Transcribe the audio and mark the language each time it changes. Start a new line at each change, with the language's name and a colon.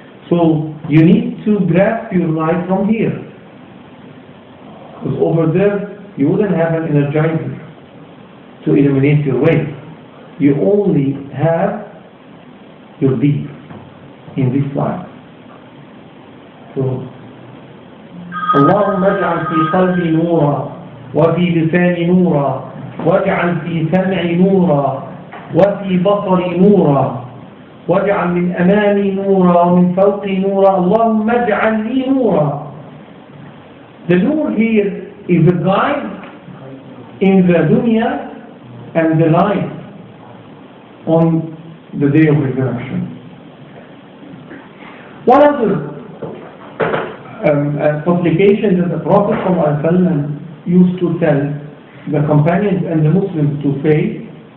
English: So you need to grab your light from here, because over there you wouldn't have an energizer to illuminate your way. You only have your deed in this life.
Arabic: So, اللهم اجعل في قلبي نورا وفي لساني نورا واجعل في سمعي نورا وفي بصري نورا واجعل من امامي نورا ومن فوقي نورا اللهم اجعل لي نورا.
English: The nur here is the guide in the dunya and the light on the day of resurrection. What are the supplications that the Prophet ﷺ used to tell the companions and the Muslims to pray?